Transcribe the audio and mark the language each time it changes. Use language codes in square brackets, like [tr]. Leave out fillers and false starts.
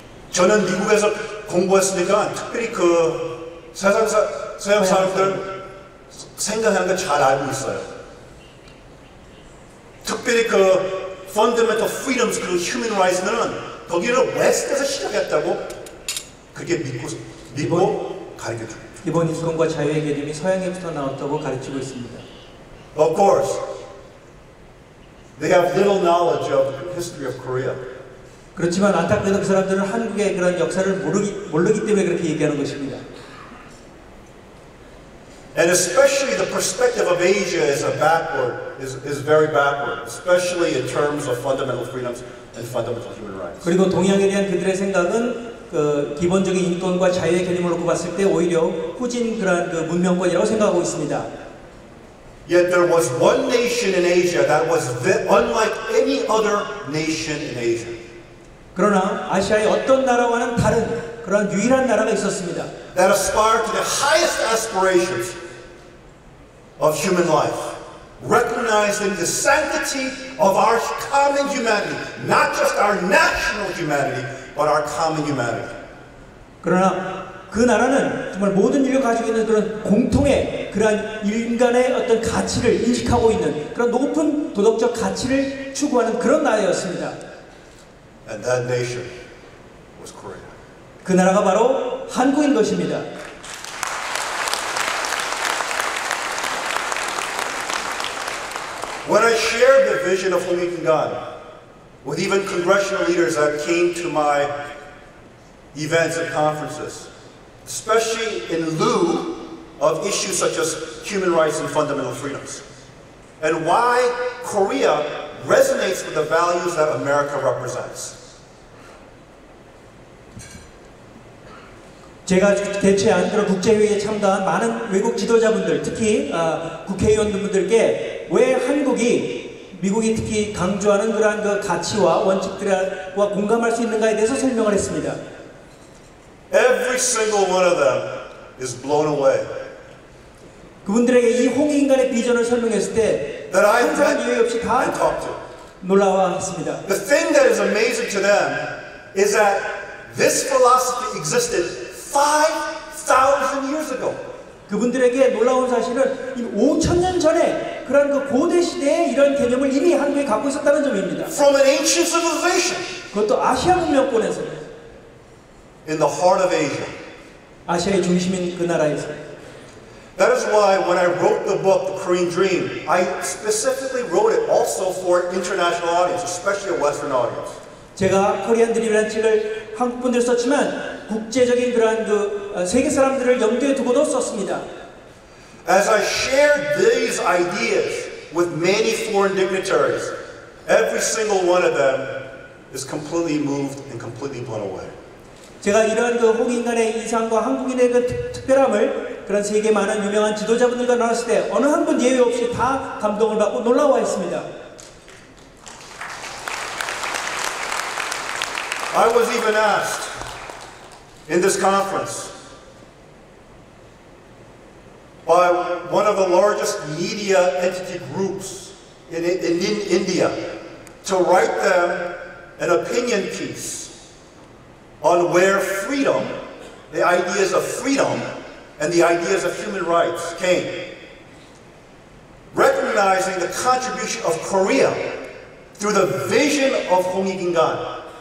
[ko] 저는 미국에서 공부했으니까 특별히 그 서양 사람들 생각하는 거 잘 알고 있어요. 특, 특별히 그 fundamental freedoms, 그 human rights는 독일은 웨스트에서 시작했다고 그렇게 믿고 가르쳐 줍니다. 이번 인권과 자유의 개념이 서양에부터 나왔다고 가르치고 있습니다. [en] Of course, they have little knowledge of the history of Korea. [ko] 그렇지만 안타깝게도 그 사람들은 한국의 그런 역사를 모르기 때문에 그렇게 얘기하는 것입니다. [en] And especially the perspective of Asia is a backward, is very backward, especially in terms of fundamental freedoms and fundamental human rights. [ko] 그리고 동양에 대한 그들의 생각은 그 기본적인 인권과 자유의 개념을 놓고 봤을 때 오히려 후진 그런 그 문명권이라고 생각하고 있습니다. [en] Yet there was one nation in Asia that was unlike any other nation in Asia. [ko] 그러나 아시아의 어떤 나라와는 다른 그런 유일한 나라가 있었습니다. [en] That aspired to the highest aspirations of human life, recognizing the sanctity of our common humanity, not just our national humanity, but our common humanity. [ko] 그러나 그 나라는 정말 모든 인류가 가지고 있는 그런 공통의 그런 인간의 어떤 가치를 인식하고 있는 그런 높은 도덕적 가치를 추구하는 그런 나라였습니다. [en] And that nation was Korea. [ko] 그 나라가 바로 한국인 것입니다. [en] When I shared the vision of Homemaking God with even congressional leaders that came to my events and conferences, especially in lieu of issues such as human rights and fundamental freedoms, and why Korea resonates with the values that America represents. [ko] 제가 개최한 그런 국제회의에 참가한 많은 외국 지도자분들, 특히 국회의원분들께 왜 한국이 미국이 특히 강조하는 그러한 그 가치와 원칙들과 공감할 수 있는가에 대해서 설명을 했습니다. [en] Every single one of them is blown away. [ko] 그분들에게 이 홍익인간의 비전을 설명했을 때 [en] that [ko] 항상 이유 없이 다 놀라웠습니다. [en] The thing that is amazing to them is that this philosophy existed 5,000 years ago. [ko] 그분들에게 놀라운 사실은 5,000년 전에 그런 그 고대 시대에 이런 개념을 이미 한국이 갖고 있었다는 점입니다. [en] From an ancient civilization. [ko] 그것도 아시아 문명권에서. [en] In the heart of Asia. [ko] 아시아의 중심인 그 나라에서. [en] That is why when I wrote the book, The Korean Dream, I specifically wrote it also for international audience, especially a Western audience. [ko] 제가 코리안 드림이라는 책을 한국 분들 썼지만 국제적인 그러한 그 세계 사람들을 염두에 두고도 썼습니다. [en] As I shared these ideas with many foreign dignitaries, every single one of them is completely moved and completely blown away. [ko] 제가 이러한 그 홍익인간의 이상과 한국인의 그 특별함을 그런 세계 많은 유명한 지도자분들과 나눴을 때 어느 한 분 예외 없이 다 감동을 받고 놀라워했습니다. [en] I was even asked in this conference by one of the largest media entity groups in India to write them an opinion piece on where freedom, the ideas of freedom and the ideas of human rights came, recognizing the contribution of Korea through the vision of Homemaking God.